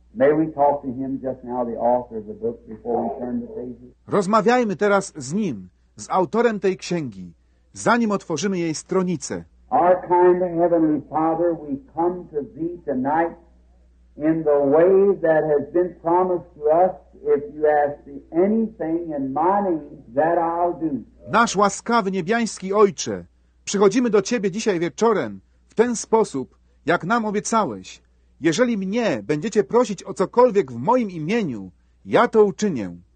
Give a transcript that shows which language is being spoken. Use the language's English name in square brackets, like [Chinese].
[English] May we talk to him just now, the author of the book, before we turn the pages? [Polish] Rozmawiajmy teraz z nim, z autorem tej księgi, zanim otworzymy jej stronicę. [English] Our kind heavenly Father, we come to thee tonight in the way that has been promised to us. If you ask me anything in my name, that I'll do. [Polish] Nasz łaskawy niebiański Ojcze, przychodzimy do ciebie dzisiaj wieczorem w ten sposób, jak nam obiecałeś. Jeżeli mnie będziecie prosić o cokolwiek w moim imieniu, ja to uczynię.